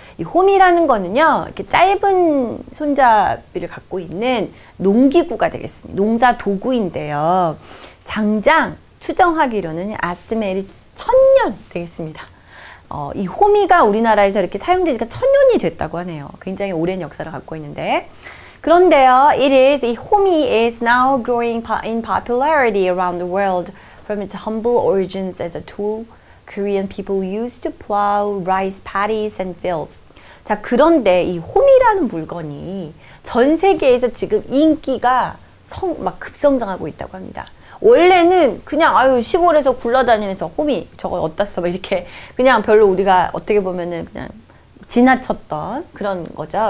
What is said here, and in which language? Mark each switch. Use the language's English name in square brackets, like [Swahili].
[Korean] 이 호미라는 거는요, 이렇게 짧은 손잡이를 갖고 있는 농기구가 되겠습니다. 농사 도구인데요. 장장 추정하기로는 estimated 1,000년 되겠습니다. 이 호미가 우리나라에서 이렇게 사용된 지가 1,000년이 됐다고 하네요. 굉장히 오랜 역사를 갖고 있는데. 그런데요, [English] it is, 이 호미 is now growing in popularity around the world from its humble origins as a tool Korean people used to plow rice paddies and fields. [Korean] 자, 그런데 이 호미라는 물건이 전 세계에서 지금 인기가 막 급성장하고 있다고 합니다. 원래는 그냥 아유 시골에서 굴러다니는 저 호미 저거 어디다 써 이렇게 그냥 별로 우리가 어떻게 보면은 그냥 지나쳤던 그런 거죠.